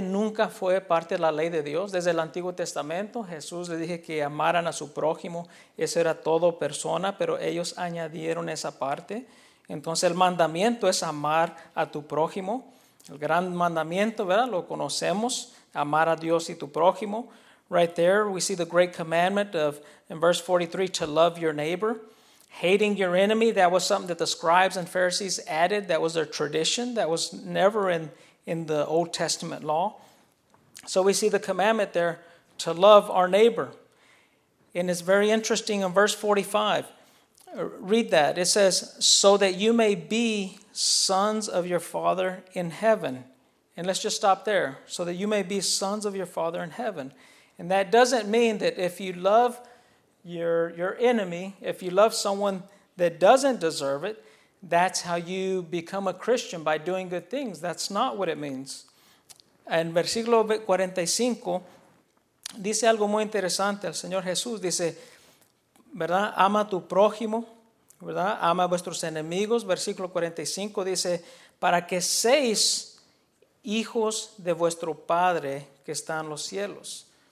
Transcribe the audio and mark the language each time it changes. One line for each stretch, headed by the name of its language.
Spanish: Nunca fue parte de la ley de Dios. Desde el Antiguo Testamento, Jesús le dije que amaran a su prójimo. Eso era todo persona, pero ellos añadieron esa parte. Entonces, el mandamiento es amar a tu prójimo. El gran mandamiento, ¿verdad? Lo conocemos. Amar a Dios y tu prójimo.
English: Right there, we see the great commandment of, in verse 43, to love your neighbor. Hating your enemy, that was something that the scribes and Pharisees added. That was their tradition. That was never in the Old Testament law. So we see the commandment there to love our neighbor. And it's very interesting in verse 45. Read that. It says, so that you may be sons of your Father in heaven. And let's just stop there. So that you may be sons of your Father in heaven. And that doesn't mean that if you love your enemy, if you love someone that doesn't deserve it, that's how you become a Christian, by doing good things. That's not what it means.
Spanish: En versículo 45, dice algo muy interesante el Señor Jesús. Dice, ¿verdad? Ama a tu prójimo, ¿verdad? Ama a vuestros enemigos. Versículo 45 dice, para que seáis hijos de vuestro Padre que está en los cielos.